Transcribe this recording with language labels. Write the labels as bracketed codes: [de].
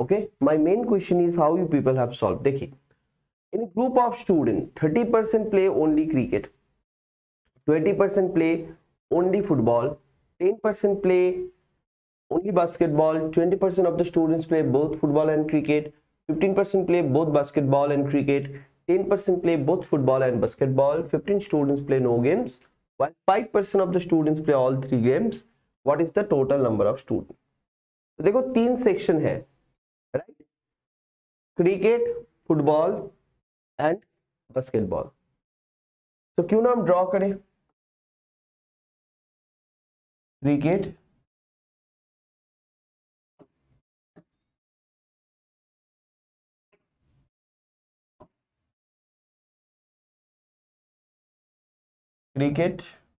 [en] Okay, my main question is how you people have solve. देखिए, in group of student 30% play only cricket, 20% play only football, 10% play only basketball, 20% of the students play both football and cricket, 15% play both basketball and cricket, 10% play both football and basketball, 15 students play no games, while 5% of the students play all three games. What is the total number of students? [hi] तो देखो तीन section है, right, cricket, football and basketball. तो क्यों ना हम draw करें cricket, cricket